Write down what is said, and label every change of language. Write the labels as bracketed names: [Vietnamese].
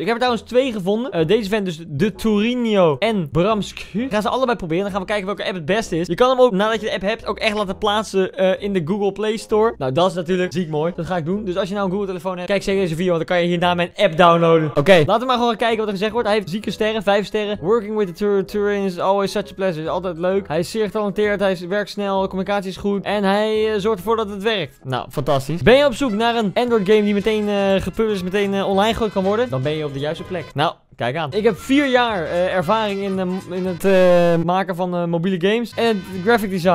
[Dutch] Ik heb er trouwens 2 gevonden. Deze vent dus, de Torino en Bramsk. Ik ga ze allebei proberen. Dan gaan we kijken welke app het beste is. Je kan hem ook, nadat je de app hebt, ook echt laten plaatsen in de Google Play Store. Nou, dat is natuurlijk ziek mooi. Dat ga ik doen. Dus als je nou een Google telefoon hebt, kijk zeker deze video. Want dan kan je hierna mijn app downloaden. Oké. Laten we maar gewoon kijken wat er gezegd wordt. Hij heeft zieke sterren. 5 sterren. [English] Working with the Turin is always such a pleasure. [Dutch] Is altijd leuk. Hij is zeer getalenteerd. Hij werkt snel. Communicatie is goed. En hij zorgt ervoor dat het werkt. Nou, fantastisch. Ben je op zoek naar een Android game die meteen gepubliceerd, meteen online gooit? Worden, dan ben je op de juiste plek. Nou, kijk aan. Ik heb 4 jaar ervaring in het maken van mobiele games en graphic design.